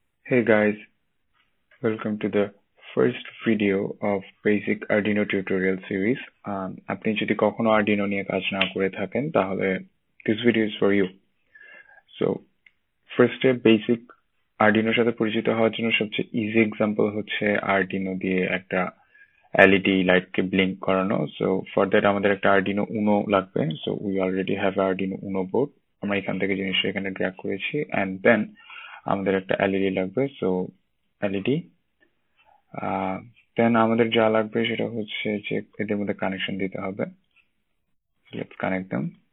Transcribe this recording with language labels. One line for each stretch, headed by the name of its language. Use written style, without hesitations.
English: Hey guys, welcome to the first video of basic Arduino tutorial series.
Bangla: আপনি যদি কখনো Arduino নিয়ে কাজ না করে থাকেন তাহলে
English: this video is for you.
Bangla: So, first step, basic Arduino সাথে পরিচিত হওয়ার জন্য সবচেয়ে easy example হচ্ছে Arduino দিয়ে একটা LED light কে blink করানো.
English: So, for that
Bangla: আমাদের একটা Arduino Uno লাগবে.
English: So, we already have Arduino Uno board.
Bangla: আমরা এখান থেকে জিনিস এখানে drag করেছি and then আমাদের একটা এলইডি লাগবে, সো এলইডি দেন আমাদের যা লাগবে সেটা হচ্ছে যে এদের মধ্যে কানেকশন দিতে হবে.
English: Let's connect them.